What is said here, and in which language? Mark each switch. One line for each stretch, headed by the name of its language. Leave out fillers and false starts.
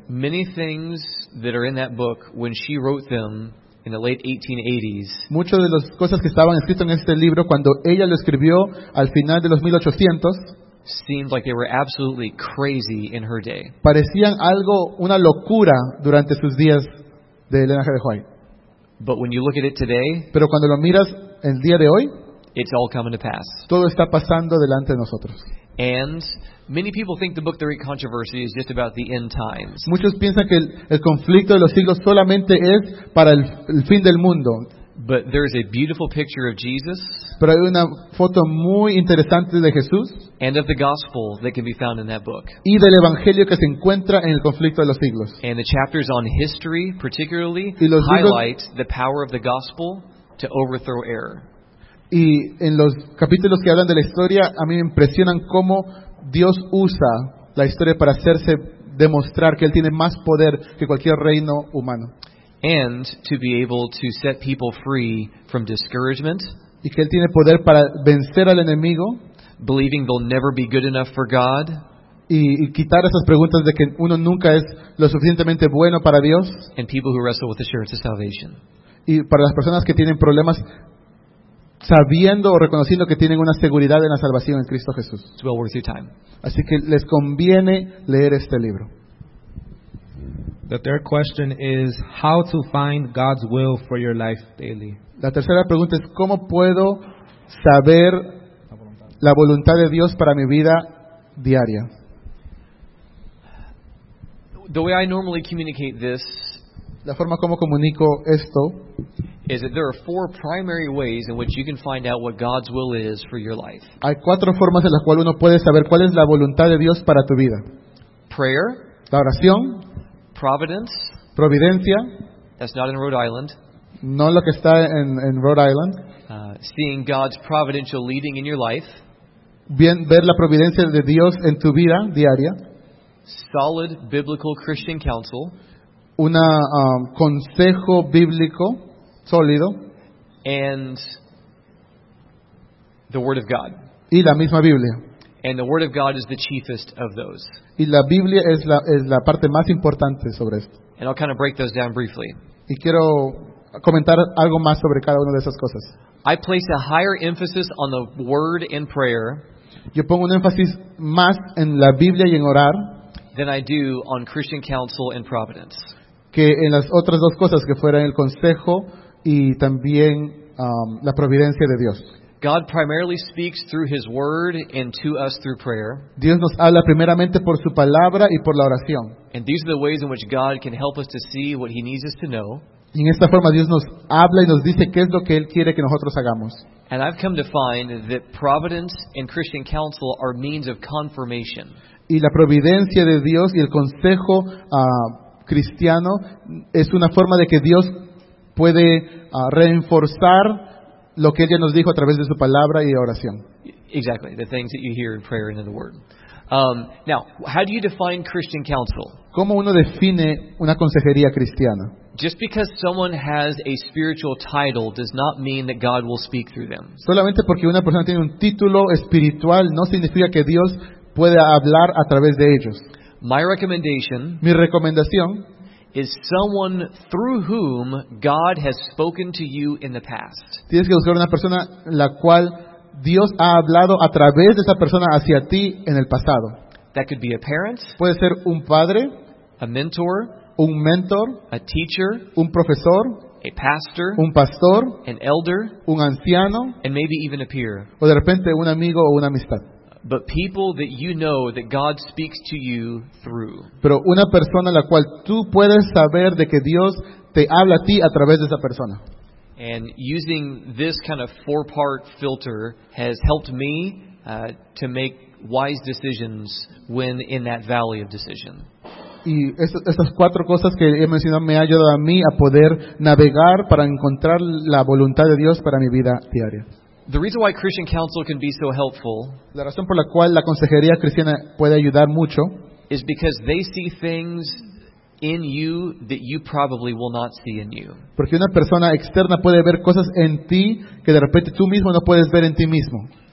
English: Many things that are in that book, when she wrote them in the late 1880s,
Spanish: muchas de las cosas que estaban escritas en este libro cuando ella lo escribió al final de los 1800,
English: seemed like they were absolutely crazy in her day.
Spanish: Parecían algo, una locura durante sus días de Elena G. de White.
English: But when you look at it today,
Spanish: pero cuando lo miras el día de hoy,
English: it's all coming to pass.
Spanish: Todo está pasando delante de nosotros.
English: And many people think the book The Great Controversy is just about the end times.
Spanish: Muchos piensan que el conflicto de los siglos solamente es para el fin del mundo.
English: But there is a beautiful picture of Jesus.
Spanish: Pero hay una foto muy interesante de Jesús.
English: And of the gospel that can be found in that book.
Spanish: Y del evangelio que se encuentra en el conflicto de los siglos.
English: And the chapters on history, particularly, highlight the power of the gospel to overthrow error.
Spanish: Y en los capítulos que hablan de la historia, a mí me impresionan cómo Dios usa la historia para hacerse demostrar que Él tiene más poder que cualquier reino humano.
English: And to be able to set people free from discouragement.
Spanish: Y que Él tiene poder para vencer al enemigo.
English: Believing they'll never be good enough for God.
Spanish: Y quitar esas preguntas de que uno nunca es lo suficientemente bueno para Dios.
English: And people who wrestle with assurance of salvation.
Spanish: Y para las personas que tienen problemas, sabiendo o reconociendo que tienen una seguridad en la salvación en Cristo Jesús.
English: It's well worth your time.
Spanish: Así que les conviene leer este libro.
English: The third question is how to find God's will for your life daily.
Spanish: La tercera pregunta es cómo puedo saber la voluntad de Dios para mi vida diaria.
English: The way I normally communicate this,
Spanish: la forma como comunico esto,
English: is that there are four primary ways in which you can find out what God's will is for your life.
Spanish: Hay cuatro formas en las cuales uno puede saber cuál es la voluntad de Dios para tu vida.
English: Prayer,
Spanish: la oración,
English: providence,
Spanish: providencia,
English: that's not in Rhode Island,
Spanish: no lo que está en Rhode Island,
English: seeing God's providential leading in your life,
Spanish: bien, ver la providencia de Dios en tu vida diaria,
English: solid biblical Christian counsel,
Spanish: una consejo bíblico sólido,
English: and the Word of God.
Spanish: Y la misma Biblia.
English: And the Word of God is the chiefest of those.
Spanish: Y la Biblia es la parte más importante sobre esto.
English: And I'll kind of break those down briefly.
Spanish: Y quiero comentar algo más sobre cada una de esas cosas.
English: I place a higher emphasis on the Word and prayer.
Spanish: Yo pongo un énfasis más en la Biblia y en orar.
English: Than I do on Christian counsel and providence.
Spanish: Que en las otras dos cosas que fueran el consejo y también la providencia de Dios.
English: God primarily speaks through His Word and to us through prayer.
Spanish: Dios nos habla primeramente por su palabra y por la oración.
English: And these are the ways in which God can help us to see what He needs us to know.
Spanish: Y en esta forma Dios nos habla y nos dice qué es lo que Él quiere que nosotros hagamos.
English: And I've come to find that providence and Christian counsel are means of confirmation.
Spanish: Y la providencia de Dios y el consejo cristiano es una forma de que Dios puede reforzar lo que ella nos dijo a través de su palabra y oración.
English: Exactly, the things that you hear in prayer and in the Word. Now, how do you define Christian counsel?
Spanish: ¿Cómo uno define una consejería cristiana?
English: Just because someone has a spiritual title does not mean that God will speak through them.
Spanish: Solamente porque una persona tiene un título espiritual no significa que Dios pueda hablar a través de ellos.
English: My recommendation.
Spanish: Mi recomendación.
English: Is someone through whom God has spoken to you in the past.
Spanish: Tienes que buscar una persona la cual Dios ha hablado a través de esa persona hacia ti en el pasado.
English: That could be a parent.
Spanish: Puede ser un padre.
English: A mentor.
Spanish: Un mentor.
English: A teacher.
Spanish: Un profesor.
English: A pastor.
Spanish: Un pastor.
English: An elder.
Spanish: Un anciano.
English: And maybe even a peer.
Spanish: O de repente un amigo o una amistad.
English: But people that you know that God speaks to you through.
Spanish: Pero una persona la cual tú puedes saber de que Dios te habla a ti a través de esa persona.
English: And using this kind of four-part filter has helped me to make wise decisions when in that valley of decision.
Spanish: y estas cuatro cosas que he mencionado me ha ayudado a mí a poder navegar para encontrar la voluntad de Dios para mi vida diaria.
English: The reason why Christian counsel can be so helpful,
Spanish: la razón por la cual la consejería cristiana puede ayudar mucho,
English: is because they see things in you that you probably will not see in you.
Spanish: Porque una persona externa puede ver cosas en ti que de repente tú mismo no puedes ver en ti mismo.